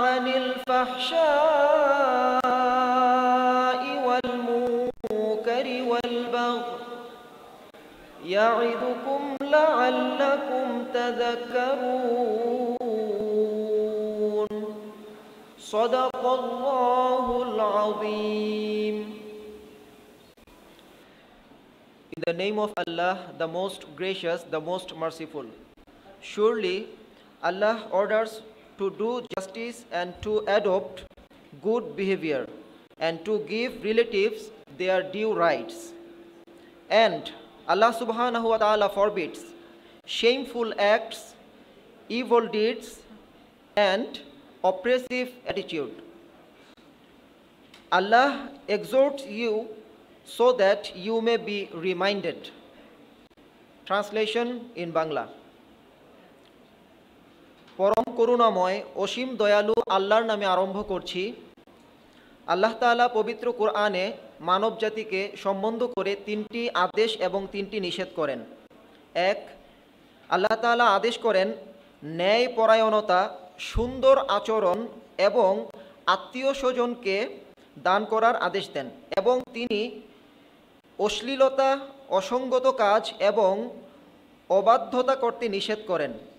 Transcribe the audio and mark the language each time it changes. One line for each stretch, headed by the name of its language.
Arabic: الفحشاء والمنكر والبغي يعظكم لعلكم تذكرون صدق الله العظيم.
English: In the name of Allah, the most gracious, the most merciful. Surely Allah orders to do justice and to adopt good behavior and to give relatives their due rights. And Allah subhanahu wa ta'ala forbids shameful acts, evil deeds, and oppressive attitude. Allah exhorts you so that you may be reminded. Translation in Bangla.
Bangla: পরম করুণাময় অসীম দয়ালু আল্লাহর নামে আরম্ভ করছি। আল্লাহ তাআলা পবিত্র কোরআনে মানব জাতিকে সম্বন্ধ করে তিনটি আদেশ এবং তিনটি নিষেধ করেন। এক, আল্লাহ তাআলা আদেশ করেন ন্যায় পরায়ণতা, সুন্দর আচরণ এবং আত্মীয় স্বজনকে দান করার আদেশ দেন এবং তিনি অশ্লীলতা, অসঙ্গত কাজ এবং অবাধ্যতা করতে নিষেধ করেন।